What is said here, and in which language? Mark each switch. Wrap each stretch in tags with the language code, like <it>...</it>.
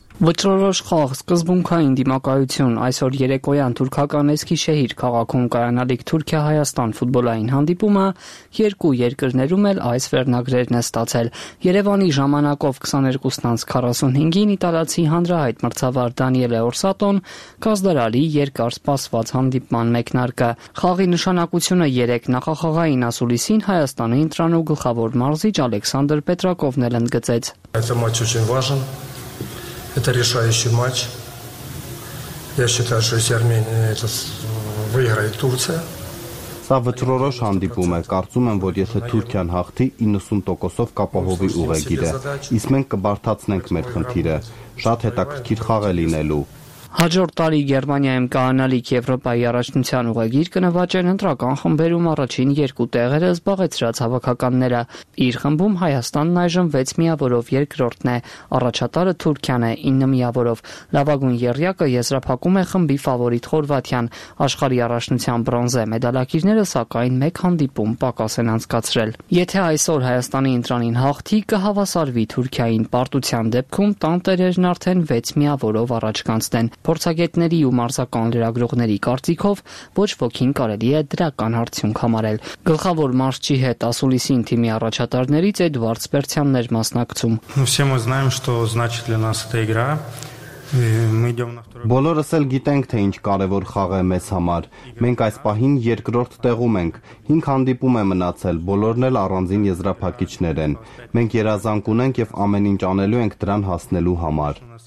<hy>Վճռորոշ խաղ, սկզբունքային դիմակայություն, այսօր երեկոյան թուրքական Էսքիշեհիր քաղաքում կայանալիք Թուրքիա-Հայաստան ֆուտբոլային հանդիպումը երկու երկրներում էլ այս վերնագրերն է ստացել։ Երևանի ժամանակով 22:45-ին իտալացի հանրահայտ մրցավար Դանիելե Օրսատոն կազդարարի երկար սպասված հանդիպման մեկնարկը։ Խաղի նշանակությունը 3 նախախաղային ասուլիսին Հայաստանի ինտրանու գլխավոր մարզիչ Ալեքսանդր Պետրակովն էլ ընդգծեց։</hy> <ru>Это решающий матч. Я считаю, что если Армения это выиграет Турция.</ru> <hy>Սա վճռորոշ հանդիպում է, կարծում եմ, որ եթե Թուրքիան հաղթի, 90%-ով կապահովի ուղեգիրը, իսկ մենք կբարձրացնենք մեր խնդիրը, շատ հետաքրքիր խաղ է լինելու։ Հաջորդ տարի Գերմանիայում կանալիք Եվրոպայի առաջնության ուղեգիր կնվաճեն ընտրական խմբերում առաջին երկու տեղերը զբաղեցրած հավաքականները։ Իր խմբում Հայաստանն այժմ 6 միավորով երկրորդն է, առաջատարը Թուրքիան է 9 միավորով։ Լավագույն երյակը եզրափակում է խմբի ֆավորիտ Խորվաթիան, աշխարհի առաջնության բրոնզե մեդալակիրները սակայն մեկ հանդիպում պակաս են անցկացրել։ Եթե այսօր Հայաստանի ինտրանին հաղթի, կհավասարվի Թուրքիային, պարտության դեպքում տան տերերն արդեն 6 միավորով առաջ կանցնեն։ Փորձագետների ու մարզական լրագրողների կարծիքով ոչ ոքին կարելի է դրական արդյունք համարել։ Գլխավոր մարզչի հետ ասուլիսին թիմի առաջատարներից Էդվարդ Սպերցյանն էր մասնակցում։</hy> <ru>Все мы знаем, что значит для нас эта игра.</ru> <hy>Բոլորս էլ գիտենք, թե ինչ կարևոր խաղ է մեզ համար։ Մենք այս պահին երկրորդ տեղում ենք, 5 հանդիպում է մնացել, բոլորն էլ առանձին եզրափակիչներ են։ Մենք երազանք ունենք եւ ամեն ինչ անելու ենք դրան հասնելու համար։</hy>